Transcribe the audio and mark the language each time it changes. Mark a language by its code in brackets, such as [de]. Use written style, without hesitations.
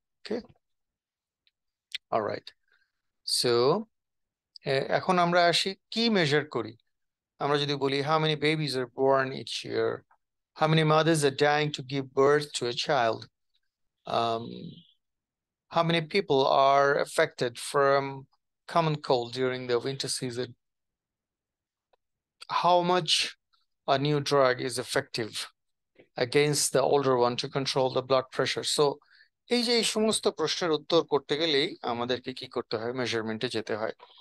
[bn] ওকে, alright, so এখন আমরা আসি কি মেজার করি। আমরা যদি বলি [en] How many babies are born each year, How many mothers are dying to give birth to a child? How many people are affected from common cold during the winter season? How much a new drug is effective against the older one to control the blood pressure? [bn] So, এই যে সমস্ত প্রশ্নের উত্তর করতে গেলেই আমাদেরকে কি করতে হয়, মেজারমেন্টে যেতে হয়।